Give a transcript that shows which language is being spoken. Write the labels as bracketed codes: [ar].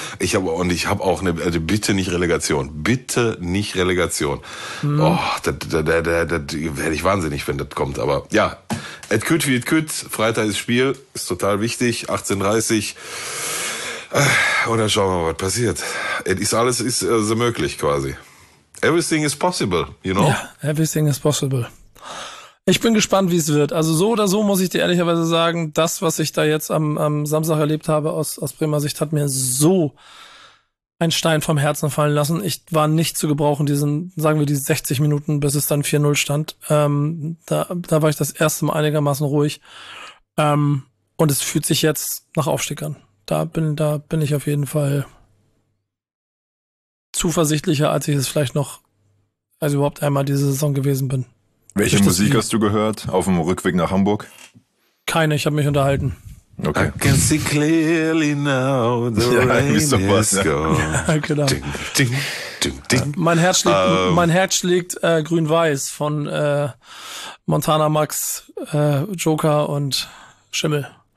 [de] Ich habe auch eine Bitte nicht Relegation. Hm. Oh, da werde ich wahnsinnig, wenn das kommt. Aber ja, [ksh] et kütt wie et kütt. [de] Freitag ist Spiel, ist total wichtig. 18:30 und dann schauen wir mal, was passiert. Alles ist möglich quasi. [en] Everything is possible, you know? Yeah, everything is possible. [de] Ich bin gespannt, wie es wird. Also so oder so muss ich dir ehrlicherweise sagen, das, was ich da jetzt am Samstag erlebt habe aus Bremer Sicht, hat mir so einen Stein vom Herzen fallen lassen. Ich war nicht zu gebrauchen, die 60 Minuten, bis es dann 4-0 stand. Da war ich das erste Mal einigermaßen ruhig. Und es fühlt sich jetzt nach Aufstieg an. Da bin ich auf jeden Fall zuversichtlicher, als ich es vielleicht noch, also überhaupt einmal diese Saison gewesen bin. Welche Musik hast du gehört auf dem Rückweg nach Hamburg? Keine, ich habe mich unterhalten. Okay. [en] I can see clearly now the rain is gone. [de] Ja, genau. Ding, ding, ding, ding. Mein Herz schlägt Grün-Weiß von Montana Max, Joker und Schimmel.